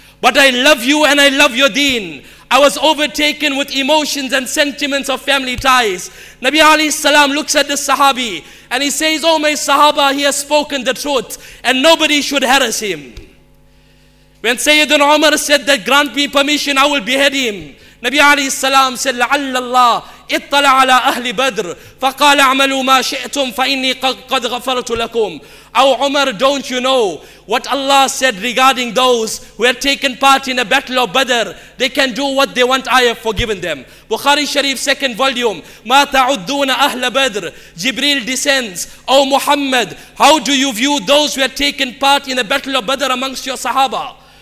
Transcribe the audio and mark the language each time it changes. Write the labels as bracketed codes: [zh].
[en] But I love you and I love your deen. I was overtaken with emotions and sentiments of family ties. Nabi alayhi salam looks at the Sahabi and he says, oh my Sahaba, he has spoken the truth and nobody should harass him. When Sayyidina Umar said that, grant me permission, I will behead him. Nabi alayhi salam said, [ar] لَعَلَّ اللَّهِ اِطَّلَ عَلَىٰ أَهْلِ بَدْرِ فَقَالَ عَمَلُوا مَا شِئْتُمْ فَإِنِّي قَدْ غَفَرْتُ لَكُمْ. [en] Oh Umar, don't you know what Allah said regarding those who had taken part in a battle of Badr? They can do what they want, I have forgiven them. Bukhari Sharif, second volume. [ar] مَا تَعُدُّونَ أَهْلَ بَدْرِ. [en] Jibril descends. Oh Muhammad, how do you view those who had taken part in a battle of Badr amongst your Sahaba?